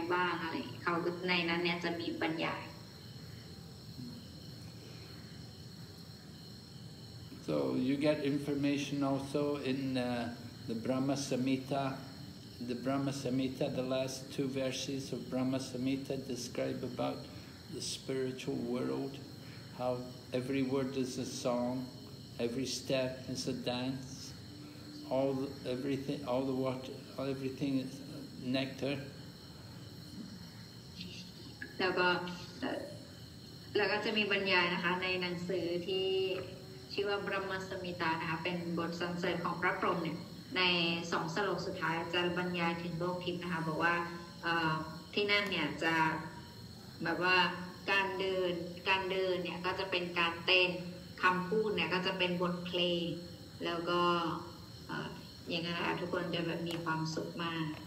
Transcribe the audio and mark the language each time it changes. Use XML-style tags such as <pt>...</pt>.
<th>ตอนบรรยายเกี่ยวกับสี่กุมารที่เป็นลูกของพระพรหมตอนนี้สี่กุมารไปที่โลกทิพย์เนี่ยเขาจะเจอพระแม่รัศมีเขาจะเจอพระนารายณ์แล้วยังไงบ้างอะไรเขาในนั้นเนี่ยจะมีบรรยาย</th> <en>So you get information also in the Brahma Samhita. The Brahma Samhita, the last two verses of Brahma Samhita describe about the spiritual world, how every word is a song, every step is a dance, everything is nectar.</en> <th>แล้วก็จะมีบรรยายนะคะในหนังสือที่ ชื่อว่า Brahma Samhita นะคะเป็นบทสรรเสริญของพระพรหมเนี่ยใน 2 สโลกสุดท้ายอาจารย์บรรยายถึงโลกทิพย์นะคะบอกว่าที่นั่นเนี่ยจะแบบว่าการเดินเนี่ยก็จะเป็นการเต้นคำพูดเนี่ยก็จะเป็นบทเพลงแล้วก็อย่างนั้นนะคะทุกคนจะแบบมีความสุขมาก</th>